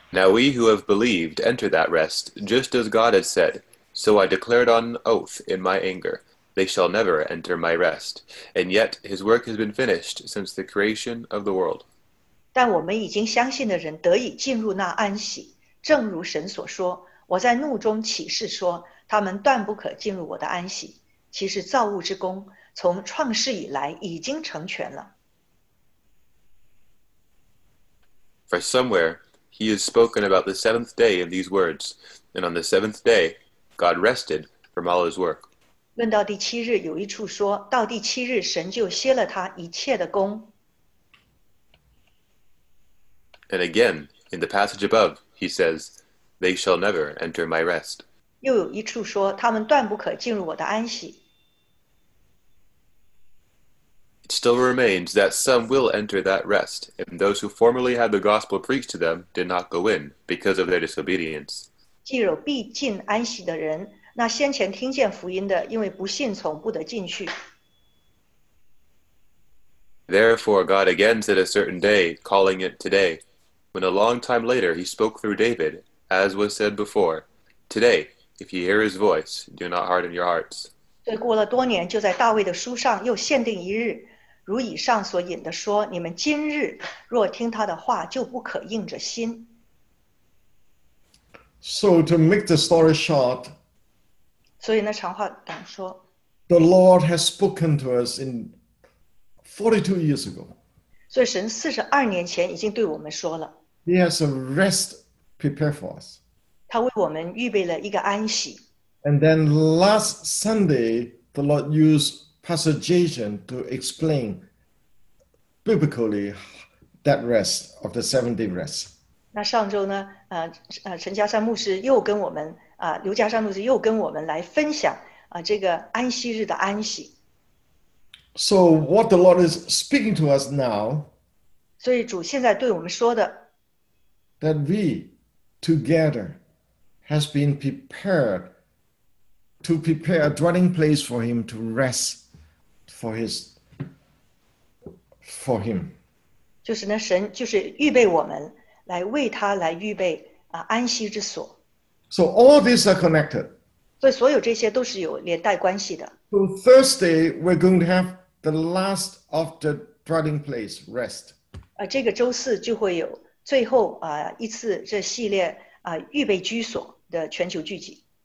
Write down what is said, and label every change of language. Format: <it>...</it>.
<en>we who have believed enter that rest, just as God has said, so I declared on oath in my anger, they shall never enter my rest, and yet his work has been finished since the creation of the world.</en> <zh>但我们已经相信的人得以进入那安息,正如神所说, 我在怒中起誓说,他们断不可进入我的安息,其实造物之功从创世以来已经成全了。For</zh> <en>somewhere, he has spoken about the seventh day in these words, and on the seventh day, God rested from all his work.</en> <zh>论到第七日有一处说,到第七日神就歇了他一切的功。And</zh> <en>again, in the passage above, he says, they shall never enter my rest.</en> <zh>又有一处说, 他们断不可进入我的安息。</zh> <en>it still remains that some will enter that rest, and those who formerly had the gospel preached to them did not go in because of their disobedience.</en> <zh>既有必进安息的人, 那先前听见福音的, 因为不信从,</zh> <en>Therefore, God again said a certain day, calling it today, when a long time later he spoke through David, as was said before, Today, if you hear his voice, do not harden your hearts.</en> <zh>所以过了多年,就在大卫的书上又限定一日, 如以上所引的说, 你们今日, 若听他的话, 就不可硬着心。</zh> <en>So to make the story short,</en> <zh>所以那长话短说,</zh> <en>the Lord has spoken to us in 42 years ago.</en> <zh>所以神42年前已经对我们说了,</zh> <en>He has a rest prepared for us.</en> <zh>他为我们预备了一个安息。</zh> <en>And then last Sunday, the Lord used Pastor Jason to explain biblically that rest of the 7 day rest.</en> <zh>那上周呢, 陈家山牧师又跟我们, 刘家山牧师又跟我们来分享, 这个安息日的安息。</zh> <en>So what the Lord is speaking to us now,</en> <zh>所以主现在对我们说的,</zh> <en>that we together has been prepared to prepare a dwelling place for him to rest for him.</en> <zh>就是呢, 神就是预备我们来为他来预备,</zh> <en>So all these are connected.</en> <zh>所以所有这些都是有连带关系的。</zh> <en>So Thursday, we're going to have the last of the dwelling place, rest.</en> <zh>这个周四就会有最后, 一次这系列, 预备居所的全球聚集。</zh>